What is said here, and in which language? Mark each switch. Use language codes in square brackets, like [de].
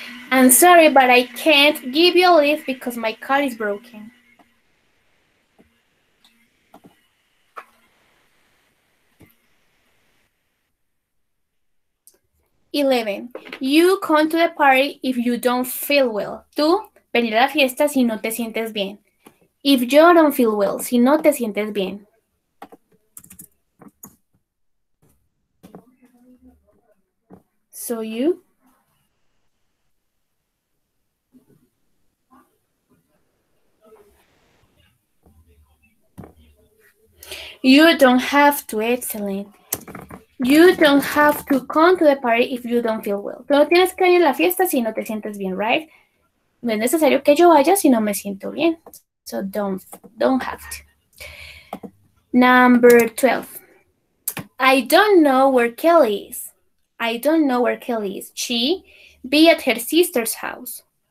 [en] I'm sorry, but I can't give you a lift because my car is broken. Eleven. You come to the party if you don't feel well. [es] Tú venir a la fiesta si no te sientes bien. [en] If you don't feel well, [es] si no te sientes bien. [en] So you... You don't have to, excellent. You don't have to come to the party if you don't feel well. [es] Pero tienes que ir a la fiesta si no te sientes bien, right? No es necesario que yo vaya si no me siento bien. [en] So don't have to. Number 12. I don't know where Kelly is. I don't know where Kelly is. She be at her sister's house.